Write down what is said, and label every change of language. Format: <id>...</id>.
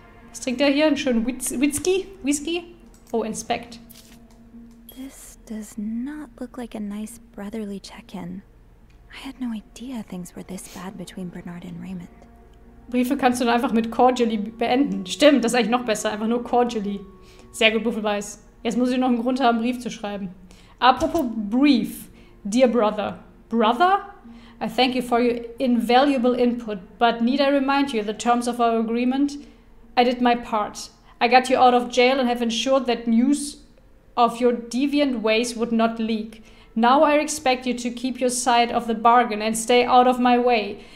<de>Was trinkt er hier? Einen schönen Whisky? Whisky?</de> <en>Oh, inspect. Does not look like a nice brotherly check-in. I had no idea things were this bad between Bernard and Raymond.</en> <de>Briefe kannst du dann einfach mit cordially beenden. Stimmt, das ist eigentlich noch besser, einfach nur cordially. Sehr gut, Buffelbeiß. Jetzt muss ich noch einen Grund haben, einen Brief zu schreiben. Apropos Brief.</de> <en>Dear Brother. Brother? I thank you for your invaluable input, but need I remind you the terms of our agreement? I did my part. I got you out of jail and have ensured that news of your deviant ways would not leak. Now I expect you to keep your side of the bargain and stay out of my way.</en>